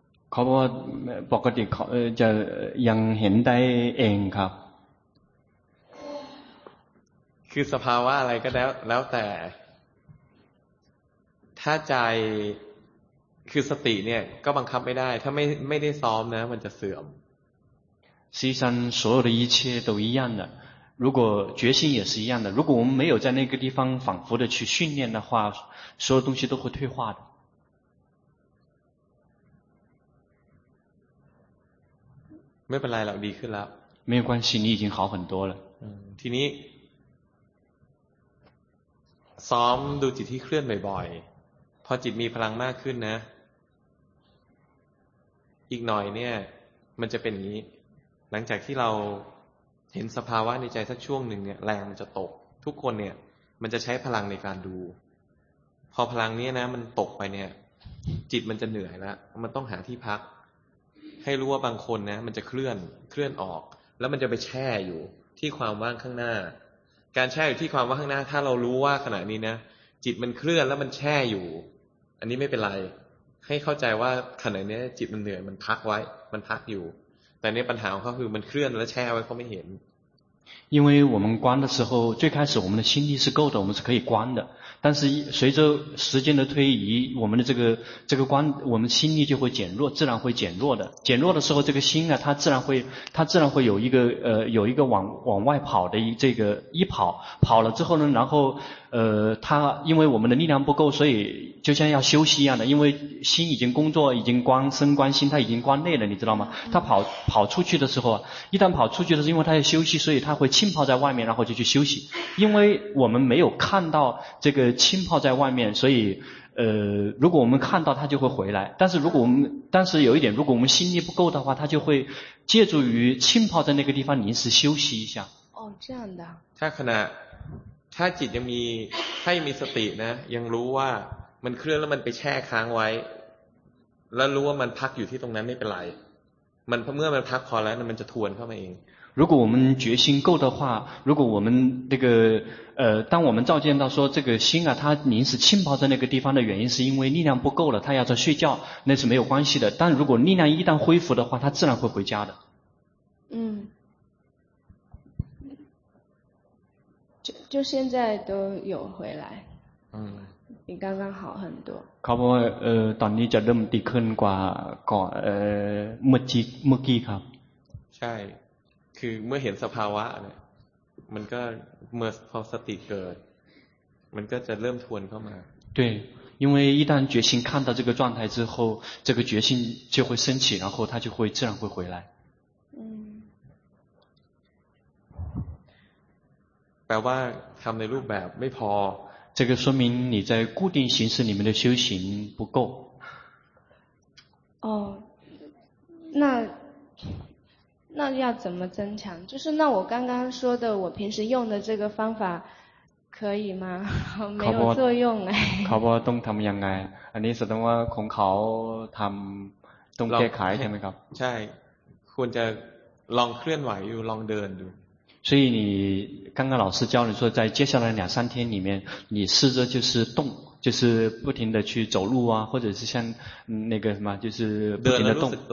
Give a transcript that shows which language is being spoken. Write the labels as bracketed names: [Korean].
[Thai] เขาบอกว่าปกติเขาจะยังเห็นได้เองครับ คือสภาวะอะไรก็แล้วแต่ถ้าใจคือสติเนี่ยก็บังคับไม่ได้ถ้าไม่ได้ซ้อมนะมันจะเสื่อม [Chinese] 实际上所有的一切都一样的，如果决心也是一样的，如果我们没有在那个地方反复的去训练的话，所有东西都会退化的。 [Thai] ไม่เป็นไรหรอกดีขึ้นแล้ว [Chinese] 没有关系你已经好很多了 [Thai] ทีนี้ซ้อมดูจิตที่เคลื่อนบ่อยๆพอจิตมีพลังมากขึ้นนะอีกหน่อยเนี่ยมันจะเป็นงี้หลังจากที่เราเห็นสภาวะในใจสักช่วงหนึ่งเนี่ยแรงมันจะตกทุกคนเนี่ยมันจะใช้พลังในการดู พอพลังนี้นะมันตกไปเนี่ยจิตมันจะเหนื่อยแล้วมันต้องหาที่พักให้รู้ว่าบางคนนะมันจะเคลื่อนออกแล้วมันจะไปแช่อยู่ที่ความว่างข้างหน้าการแช่อยู่ที่ความว่างข้างหน้าถ้าเรารู้ว่าขณะนี้นะจิตมันเคลื่อนแล้วมันแช่อยู่อันนี้ไม่เป็นไรให้เข้าใจว่าขณะนี้จิตมันเหนื่อยมันพักไว้มันพักอยู่แต่เนี่ยปัญหาของเขาคือมันเคลื่อนและแช่ไว้เขาไม่เห็น [Chinese] 因为我们观的时候最开始我们的心力是够的我们是可以观的但是随着时间的推移我们的这个观我们心力就会减弱自然会减弱的减弱的时候这个心啊它自然会有一个往外跑的跑了之后呢然后它因为我们的力量不够所以就像要休息一样的因为心已经工作已经观身观心它已经观内了你知道吗它跑出去的时候一旦跑出去的时候因为它要休息所以它会浸泡在外面然后就去休息因为我们没有看到这个浸泡在外面，所以，如果我们看到它就会回来。但是有一点，如果我们心力不够的话，它就会借助于浸泡在那个地方临时休息一下。哦，这样的。他可能，他只要有，他有 [Thai] สติ呢，ยังรู้ว่ามันเคลื่อนแล้วมันไปแช่ค้างไว้แล้วรู้ว่ามันพักอยู่ที่ตรงนั้นไม่เป็นไรมันเมื่อมันพักพอแล้วมันจะทวนเข้ามาเอง [Chinese] 如果我们决心够的话，如果我们那个当我们照见到说这个心啊，它临时浸泡在那个地方的原因，是因为力量不够了，它要在睡觉，那是没有关系的。但如果力量一旦恢复的话，它自然会回家的。就现在都有回来。比刚刚好很多。 [Thai] ครับ ตอนนี้จะเริ่มดีขึ้นกว่าก่อน เมื่อกี้ครับ ใช่คือเมื่อเห็นสภาวะเนี่ยมันก็เมื่อพอสติเกิดมันก็จะเริ่มทวนเข้ามา [Chinese] 对因为一旦决心看到这个状态之后这个决心就会升起然后它就会自然会回来 [Thai] แปลว่าทำในรูปแบบไม่พอ [Chinese] 这个说明你在固定形式里面的修行不够哦那要怎么增强？就是那我刚刚说的，我平时用的这个方法可以吗？没有作用哎。 [Thai] เขาบอกต้องทำยังไง？ อันนี้แสดงว่าของเขาทำต้องแก้ไขใช่ไหมครับ？ ใช่，ควรจะลองเคลื่อนไหวอยู่ลองเดินดู。 [Chinese] 所以你刚刚老师教你说，在接下来两三天里面，你试着就是动，就是不停的去走路啊，或者是像那个什么，就是不停的动。